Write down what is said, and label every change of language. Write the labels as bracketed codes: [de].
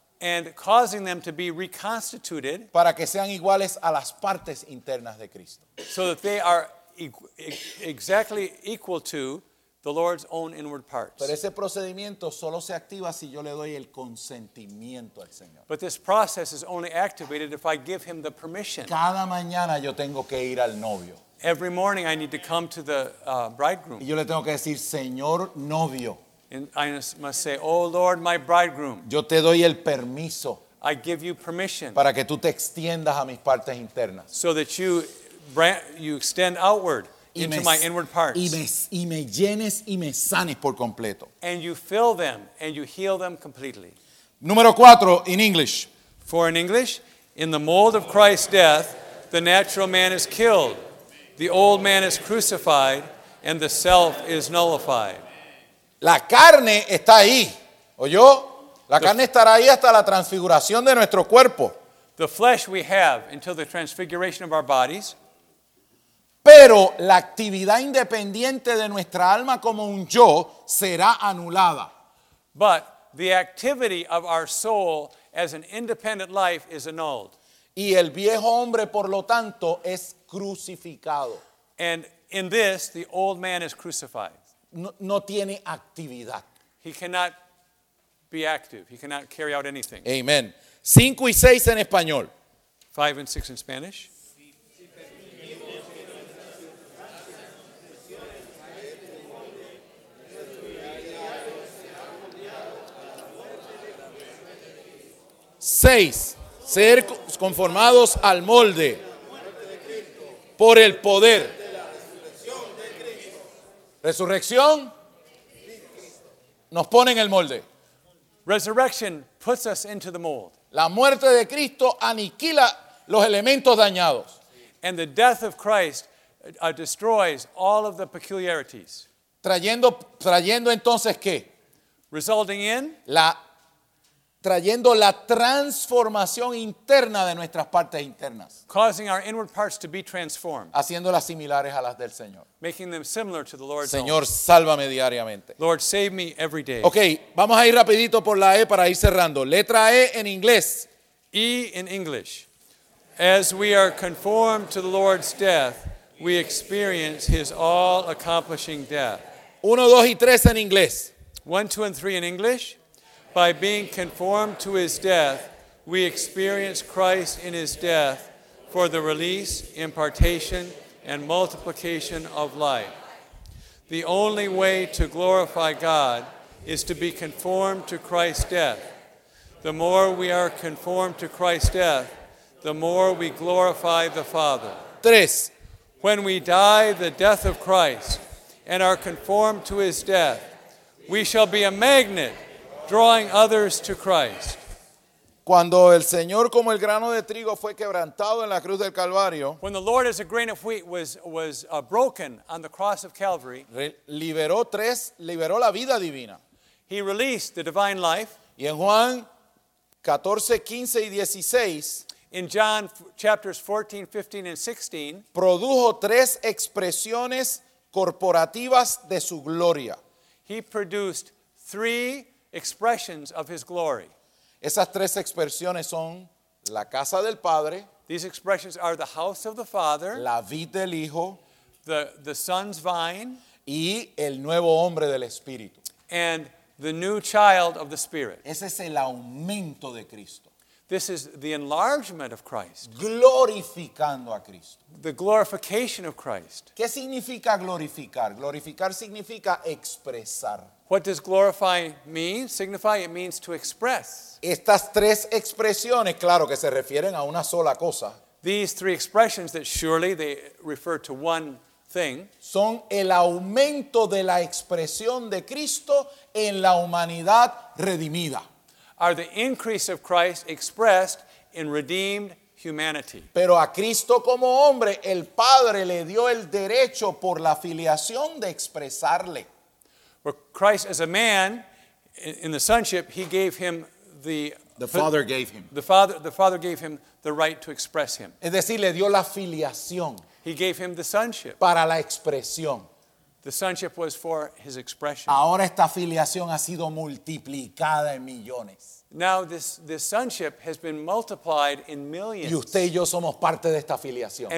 [en] And causing them to be reconstituted. [es] Para que sean iguales a las partes internas de Cristo. [en] So that they are exactly equal to the Lord's own inward parts. [es] Pero ese procedimiento solo se activa si yo le doy el consentimiento al Señor. [en] But this process is only activated if I give him the permission. [es] Cada mañana yo tengo que ir al novio. [en] Every morning I need to come to the bridegroom. [es] Y yo le tengo que decir, Señor novio. [en] And I must say, oh Lord, my bridegroom. [es] Yo te doy el permiso. [en] I give you permission. [es] Para que tú te extiendas a mis partes internas. [en] So that you extend outward into my inward parts. [es] Y me llenes y me sanes por completo. [en] And you fill them and you heal them completely. [es] Número 4, [en] in English. For in English, in the mold of Christ's death, the natural man is killed. The old man is crucified and the self is nullified. [es] La carne está ahí. ¿Oyó? La carne estará ahí hasta la transfiguración de nuestro cuerpo. [en] The flesh we have until the transfiguration of our bodies. [es] Pero la actividad independiente de nuestra alma como un yo será anulada. [en] But the activity of our soul as an independent life is annulled. [es] Y el viejo hombre, por lo tanto, es crucificado. [en] And in this, the old man is crucified. [es] No tiene actividad. [en] He cannot be active. He cannot carry out anything. [es] Amen. 5 y 6 en español. [en] 5 and 6 in Spanish. [es] Seis, ser conformados al molde por el poder. Resurrección nos pone en el molde. [en] Resurrection puts us into the mold. [es] La muerte de Cristo aniquila los elementos dañados. [en] And the death of Christ destroys all of the peculiarities. [es] Trayendo entonces qué? [en] Resulting in [es] trayendo la transformación interna de nuestras partes internas. [en] Causing our inward parts to be transformed. [es] Haciéndolas similares a las del Señor. [en] Making them similar to the Lord's [es] Señor, sálvame diariamente. [en] Lord, save me every day. [es] Ok, vamos a ir rapidito por la E para ir cerrando. Letra E en inglés. [en] E in English. As we are conformed to the Lord's death, we experience his all-accomplishing death. [es] 1, 2 y 3 en inglés. [en] 1, 2 and 3 in English. By being conformed to his death, we experience Christ in his death for the release, impartation, and multiplication of life. The only way to glorify God is to be conformed to Christ's death. The more we are conformed to Christ's death, the more we glorify the Father. [es] Tres. [en] When we die the death of Christ and are conformed to his death, we shall be a magnet drawing others to Christ. [es] Cuando el Señor como el grano de trigo fue quebrantado en la cruz del Calvario, [en] when the Lord as a grain of wheat was broken on the cross of Calvary, [es] liberó la vida divina. [en] He released the divine life. [es] Y en Juan 14, 15 y 16, [en] in John chapters 14, 15 and 16, [es] produjo tres expresiones corporativas de su gloria. [en] He produced three expressions of his glory. [es] Esas tres expresiones son la casa del Padre. [en] These expressions are the house of the Father. [es] La vid del Hijo. [en] The Son's vine. [es] Y el nuevo hombre del Espíritu. [en] And the new child of the Spirit. [es] Ese es el aumento de Cristo. [en] This is the enlargement of Christ. [es] Glorificando a Cristo. [en] The glorification of Christ. [es] ¿Qué significa glorificar? Glorificar significa expresar. [en] What does glorify mean? Signify? It means to express. [es] Estas tres expresiones, claro, que se refieren a una sola cosa. [en] These three expressions that surely they refer to one thing. [es] Son el aumento de la expresión de Cristo en la humanidad redimida. [en] Are the increase of Christ expressed in redeemed humanity. [es] Pero a Cristo como hombre, el Padre le dio el derecho por la filiación de expresarle. [en] For Christ as a man, in the sonship, he gave him the Father gave him. The Father gave him the right to express him. [es] Es decir, le dio la filiación. [en] He gave him the sonship. [es] Para la expresión. [en] The sonship was for his expression. [es] Ahora esta filiación ha sido multiplicada en millones. [en] Now this sonship has been multiplied in millions. [es] Y usted y yo somos parte de esta filiación.